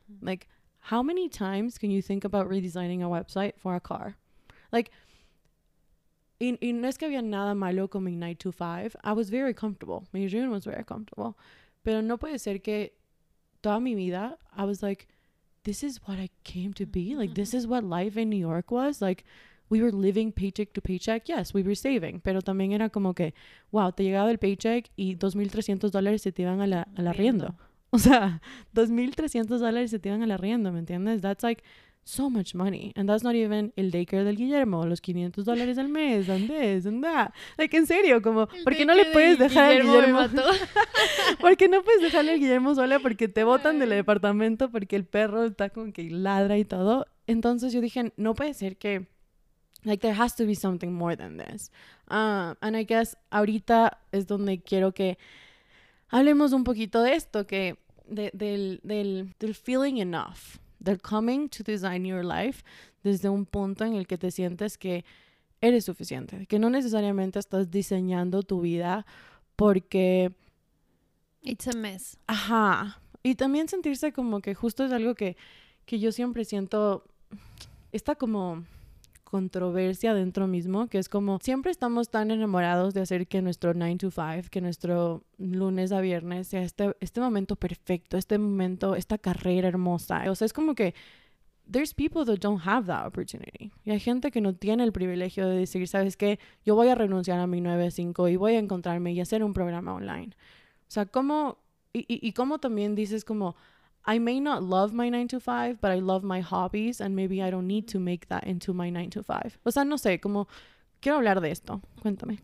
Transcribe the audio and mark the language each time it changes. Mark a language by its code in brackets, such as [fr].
[en] Like, how many times can you think about redesigning a website for a car? Like, [es] y no es que había nada malo con mi 9-to-5. [en] I was very comfortable. My dream was very comfortable. [es] Pero no puede ser que toda mi vida, [en] I was like, this is what I came to be. Like, this is what life in New York was. Like, we were living paycheck to paycheck. Yes, we were saving. [es] Pero también era como que, wow, te llegaba el paycheck y $2,300 se te iban al arriendo. O sea, $2,300 se te iban al arriendo, ¿me entiendes? [en] That's like so much money, and that's not even [es] el daycare del Guillermo, los $500 al mes, [en] and this and that. Like, [es] en serio, como, ¿por qué no le puedes dejar al Guillermo? ¿Por qué no puedes dejarle al Guillermo sola? Porque te botan del departamento, porque el perro está como que ladra y todo. Entonces yo dije, no puede ser que, like, [en] there has to be something more than this. And I guess [es] ahorita es donde quiero que hablemos un poquito de esto, que del feeling enough. [en] They're coming to design your life [es] desde un punto en el que te sientes que eres suficiente, que no necesariamente estás diseñando tu vida porque [en] it's a mess. Ajá. [es] Y también sentirse como que justo es algo que yo siempre siento esta como controversia dentro mismo, que es como siempre estamos tan enamorados de hacer que nuestro 9 to 5, que nuestro lunes a viernes sea este momento perfecto, este momento, esta carrera hermosa. O sea, es como que [en] there's people that don't have that opportunity. [es] Y hay gente que no tiene el privilegio de decir, ¿sabes qué? Yo voy a renunciar a mi 9 a 5 y voy a encontrarme y hacer un programa online. O sea, ¿cómo? Y ¿cómo también dices como [en] I may not love my 9-to-5, [es] but I love my hobbies, and maybe I don't need to make that into my 9-to-5. O sea, no sé, como, quiero hablar de esto. Cuéntame.